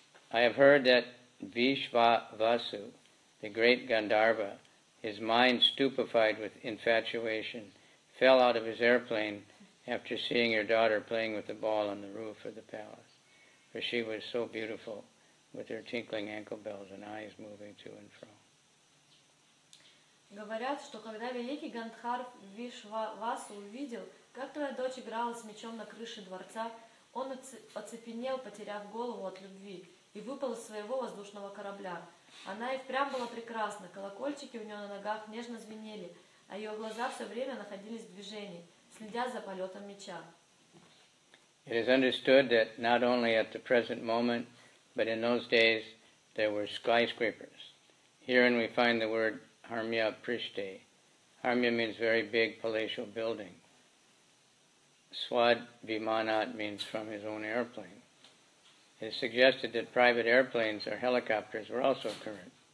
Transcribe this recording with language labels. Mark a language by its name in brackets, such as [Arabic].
[English] I have heard that Vishva Vasu, the great Gandharva, his mind stupefied with infatuation, fell out of his airplane after seeing your daughter playing with the ball on the roof of the palace. For she was so beautiful, with her tinkling ankle bells and eyes moving to and fro. [Russian] Говорят, что когда великий Гандхарв Вишвавасу увидел, как твоя дочь играла с мечом на крыше дворца, он оцепенел, потеряв голову от любви, и выпал из своего воздушного корабля. Она и впрямь была прекрасна, колокольчики у нее на ногах нежно звенели, а ее глаза все время находились в движении, следя за полетом меча. [English] It is understood that not only at the present moment, but in those days there were skyscrapers. Herein we find the word Harmya Prishte. Harmya means very big palatial building. Swad Vimanat means from his own airplane. It is suggested that private airplanes or helicopters were also current.